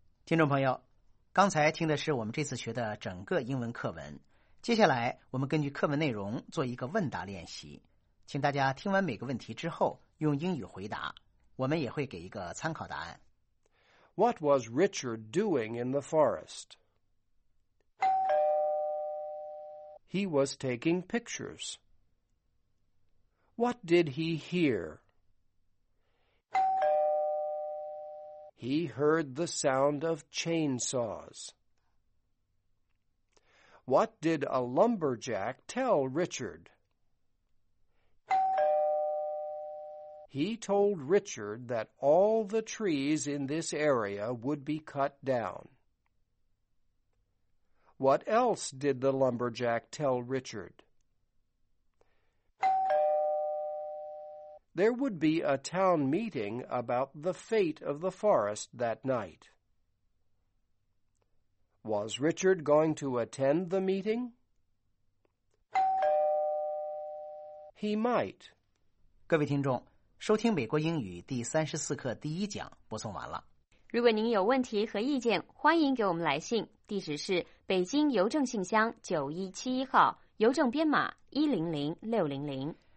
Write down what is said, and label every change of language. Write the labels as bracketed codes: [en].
[zh] Listeners, 刚才听的是我们这次学的整个英文课文。接下来我们根据课文内容做一个问答练习。请大家听完每个问题之后用英语回答。我们也会给一个参考答案。 [en] What was Richard doing in the forest? He was taking pictures. What did he hear? He heard the sound of chainsaws. What did a lumberjack tell Richard? He told Richard that all the trees in this area would be cut down. What else did the lumberjack tell Richard? There would be a town meeting about the fate of the forest that night. Was Richard going to attend the meeting? He might. [zh] 各位听众收听美国英语第34课第一讲播送完了。如果您有问题和意见，欢迎给我们来信，地址是北京邮政信箱9171号，邮政编码100600。